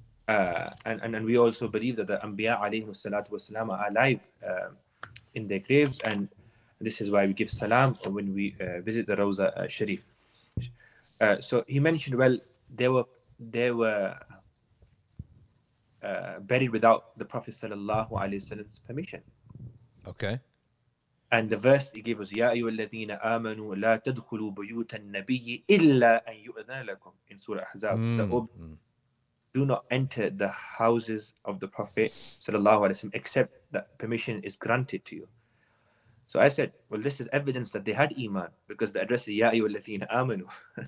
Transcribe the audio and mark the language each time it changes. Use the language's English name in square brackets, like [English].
[English] And we also believe that the Anbiya alayhi salatu wa salam are alive in their graves, and this is why we give salam when we visit the Rawza Sharif. So he mentioned, well, they were buried without the Prophet sallallahu alayhi wa sallam's permission. Okay. And the verse he gave us, [Arabic] يَا أَيُّوَ الَّذِينَ آمَنُوا لَا تَدْخُلُوا بُيُوتَ النَّبِيِّ إِلَّا أَن يُؤْذَنَ لَكُمْ in Surah Ahzab. [English] Do not enter the houses of the Prophet sallallahu alayhi wa sallam except that permission is granted to you. So I said, well, this is evidence that they had iman, because the address is [Arabic] يَا أَيُّوَ الَّذِينَ آمَنُوا.